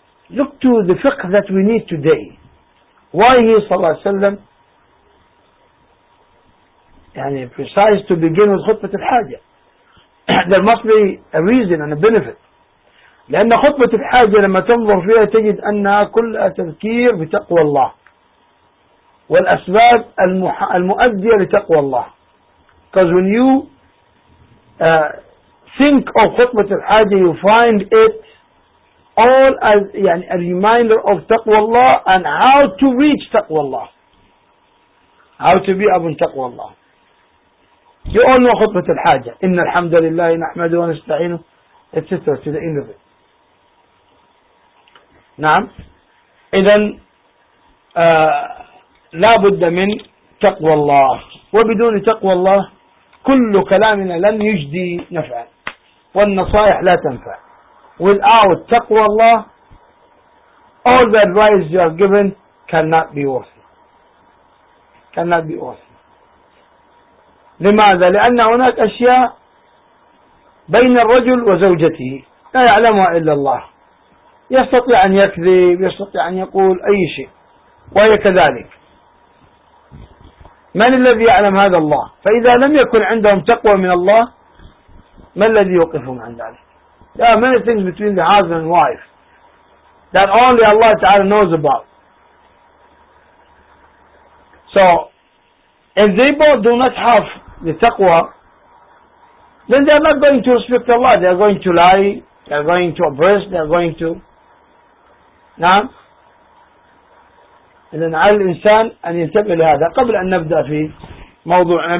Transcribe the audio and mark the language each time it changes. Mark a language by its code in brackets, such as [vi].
[en] Look to the fiqh that we need today. Why he صلى الله عليه وسلم يعني precise to begin with خطبة الحاجة. There must be a reason and a benefit. [ar] لأن خطبة الحاجة لما تنظر فيها تجد أنها كلها تذكير بتقوى الله والأسباب المؤدية لتقوى الله. [en] Because when you think of خطبة الحاجة you find it all as يعني a reminder of تقوى الله and how to reach تقوى الله, how to be أبن تقوى الله. You all know خطبة الحاجة, [ar] إن الحمد لله نحمده ونستعينه [en] etc. to the end of it. [ar] نعم. إذن لا بد من تقوى الله, وبدون تقوى الله كل كلامنا لن يجدي نفعا والنصائح لا تنفع. [en] Without تقوى الله all the advice you are given cannot be worth it. Cannot be worth it. [ar] لماذا؟ لأن هناك أشياء بين الرجل وزوجته لا يعلمها إلا الله. يستطيع أن يكذب, يستطيع أن يقول أي شيء, وهي كذلك. من الذي يعلم هذا؟ الله. فإذا لم يكن عندهم تقوى من الله ما الذي يوقفهم عن ذلك؟ [en] There are many things between the husband and wife that only Allah Ta'ala knows about. So if they both do not have the تقوى then they are not going to respect Allah. They are going to lie, they are going to oppress, they are going to نعم. [ar] إذن على الإنسان أن ينتبه لهذا قبل أن نبدأ في موضوعنا.